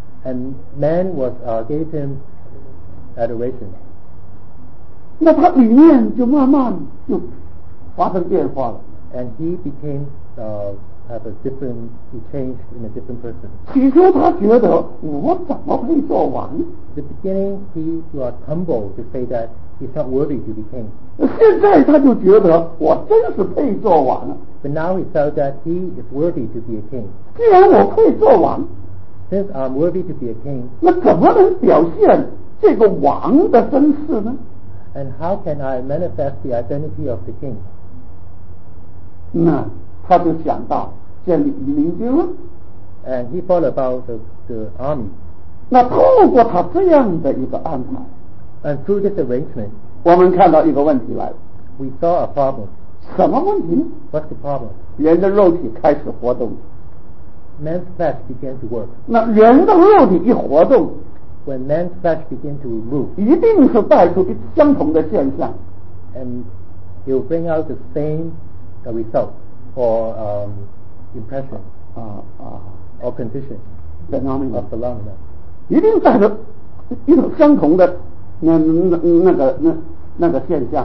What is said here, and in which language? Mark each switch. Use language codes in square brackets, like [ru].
[en] and man was, gave him adoration. [zh] 那他里面就慢慢就发生变化了 [en] and he became have a different he changed in a different person [zh] 起初他觉得我怎么会做完 [en] the beginning he was humble to say that He felt worthy to be king. [zh] 现在他就觉得我真是配做王了。 [en] But now he felt that he is worthy to be a king. [zh] 既然我配做王， [en] since I'm worthy to be a king, [zh] 那怎么能表现这个王的身世呢？ [en] And how can I manifest the identity of the king? [zh] 那他就想到建立御林军了。 [en] And he thought about the army. [zh] 那透过他这样的一个安排， [en] And through this arrangement, [zh] 我们看到一个问题来了。 [en] We saw a problem. [zh] 什么问题呢？ [en] What's the problem? [zh] 人的肉体开始活动。 [en] Man's flesh began to work. [zh] 那人的肉体一活动， [en] When man's flesh began to move, [zh] 一定是带出相同的现象。 [en] And he'll bring out the same result or impression or condition of the lung, [zh] 一定带着一种相同的那个现象。